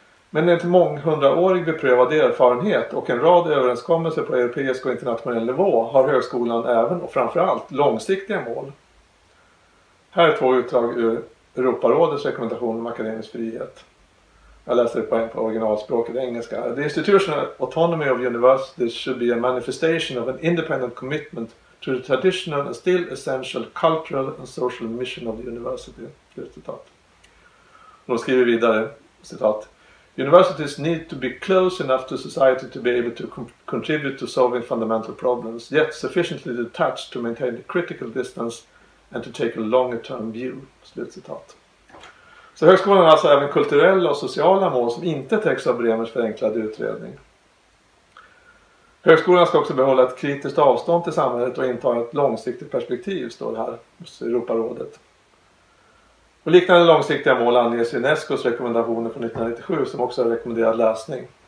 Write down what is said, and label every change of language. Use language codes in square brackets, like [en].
[sv] Men en till månghundraårig beprövad erfarenhet och en rad överenskommelser på europeisk och internationell nivå har högskolan även och framförallt långsiktiga mål. Här är två utdrag ur Europarådets rekommendation om akademisk frihet. Jag läser det på originalspråket engelska. [en] The institutional autonomy of universities should be a manifestation of an independent commitment to the traditional and still essential cultural and social mission of the university. [sv] Och då skriver vidare, citat. [en] Universities need to be close enough to society to be able to contribute to solving fundamental problems, yet sufficiently detached to maintain a critical distance and to take a longer term view. [sv] Slutcitat. Så högskolan har alltså även kulturella och sociala mål som inte täcks av Bremers förenklade utredning. Högskolan ska också behålla ett kritiskt avstånd till samhället och inta ett långsiktigt perspektiv, står det här hos Europarådet. Och liknande långsiktiga mål anges i UNESCOs rekommendationer från 1997 som också är rekommenderad läsning.